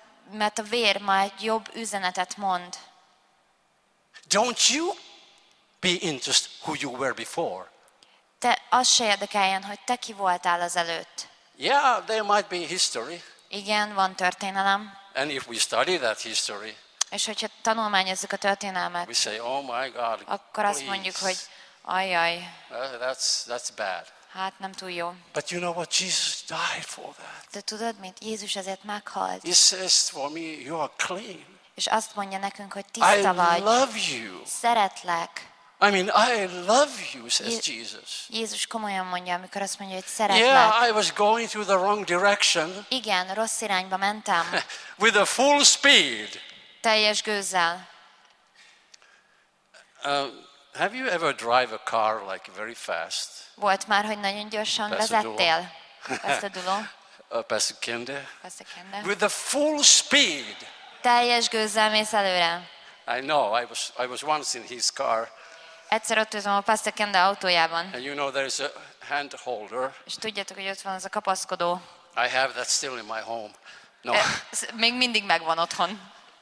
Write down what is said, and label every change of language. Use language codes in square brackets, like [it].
[hu] Mert a vér ma egy jobb üzenetet mond. [en] Don't you be interested who you were before? [hu] Te azt se érdekeljen, hogy te ki voltál azelőtt. [en] Yeah, there might be history. [hu] Igen, van történelem. [en] And if we study that history. [hu] És hogyha tanulmányozzuk a történelmet. [en] We say, oh my God. [hu] Akkor [en] please. [hu] Azt mondjuk, hogy ajaj. [en] That's bad. [hu] Hát nem túl jó. [en] But you know what? Jesus died for that. [hu] De tudod mit? Jézus ezért meghalt. [en] He says for me, you are clean. [hu] És azt mondja nekünk, hogy tiszta vagy. [en] I love you. [hu] Szeretlek. [en] I mean, I love you, says Jesus. [hu] Jézus komolyan mondja, amikor azt mondja, hogy szeretlek. [en] Yeah, I was going through the wrong direction. [hu] Igen, rossz irányba mentem. [en] With a full speed. [hu] Teljes gőzzel. [en] Have you ever drive a car like very fast? [hu] Volt már, hogy nagyon gyorsan vezettél? Pesadulo. Pesakende. Pesakende. [en] With a full speed. [hu] Teljes gőzzel mész előre. [en] I know, I was once in his car. [hu] Egyszer ott ültem a Pastor Kende autójában. [en] And you know there is a hand holder. [hu] És tudjátok, hogy ott van az a kapaszkodó. [en] I have that still in my home. No. [hu] Még mindig megvan otthon.